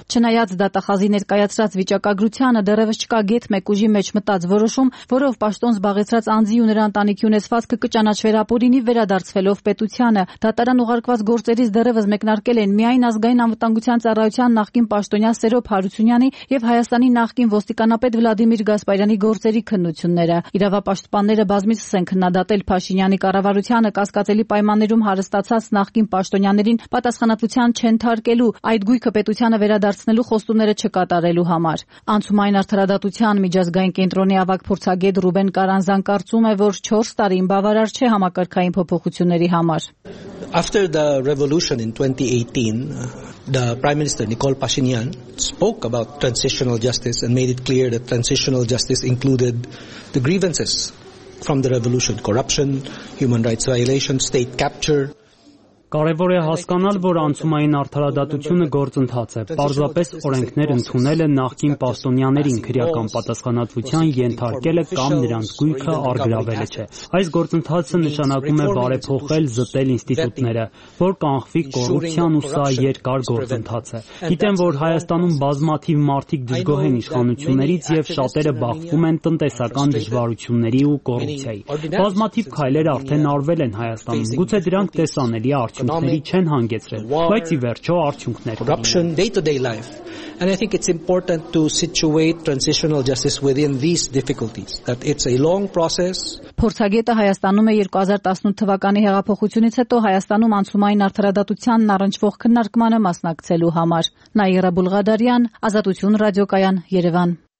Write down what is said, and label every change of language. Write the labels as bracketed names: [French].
[Armenian] Չնայած դատախազի ներկայացրած վիճակագրությանը, դեռևս չկա գետ մեկ ուժի մեջ մտած որոշում, որով պաշտոն զբաղեցրած անձի ու նրա ընտանիքի ունեցվածքը կճանաչ վերապորինի վերադարձվելով պետությանը։ Դատարան ուղարկված գործերից դեռևս մեկնարկել են միայն ազգային անվտանգության ծառայության նախկին պաշտոնյա Սերո Փարությունյանի եւ Հայաստանի նախկին ոստիկանապետ Վլադիմիր Գասպարյանի գործերի քննությունները։ Իրավապաշտպանները բազմիցս են քննադատել Փաշինյանի կառավարությանը կասկածելի պայմաններում հարստացած նախկին պաշտոնյաներին պատասխանատվության չեն թարկելու, այդ գույքը պետությանը վերադարձնելու խոստումները չկատարելու համար։ Անցումային արդարադատության միջազգային կենտրոնի ավագ փորձագետ Ռուբեն Կարանզան կարծում է, որ 4 տարին բավարար չէ համակարգային փոփոխությունների համար։ [English] After the revolution in 2018, the Prime Minister Nicole Pashinyan spoke about transitional justice and made it clear that transitional justice included the grievances from the revolution: corruption, human rights violations, state capture. [Armenian] Կարևոր է հասկանալ, որ անցումային արդարադատությունը գործընթաց է։ Պարզապես օրենքներ ընդունել են նախկին պաշտոնյաներին, քրեական պատասխանատվության ենթարկելը կամ նրանց գույքը արգրավելը չէ։ Այս գործընթացը նշանակում է բարեփոխել զտել ինստիտուտները, որ կանխվի կոռուպցիան, ու սա երկար գործընթաց է։ Գիտեմ, որ Հայաստանում բազմաթիվ մարդիկ դժգոհ են իշխանություններից և շատերը բախվում են տնտեսական դժվարությունների ու կոռուպցիայի։ Բազմաթիվ քայլեր արդեն արվել են Հայաստանում, գուցե դրանք տեսանելի արդյունքների չեն հանգեցրել, բայց ի վերջո արդյունքներ [English] corruption day-to-day life, and I think it's important to situate transitional justice within these difficulties, that it's a long process. [Armenian] Փորձագետը Հայաստանում է 2018 թվականի հեղափոխությունից հետո Հայաստանում անցումային արդարադատությանն առնչվող քննարկմանը մասնակցելու համար։ Նաիրա Բուլղադարյան, Ազատություն ռադիոկայան, Երևան։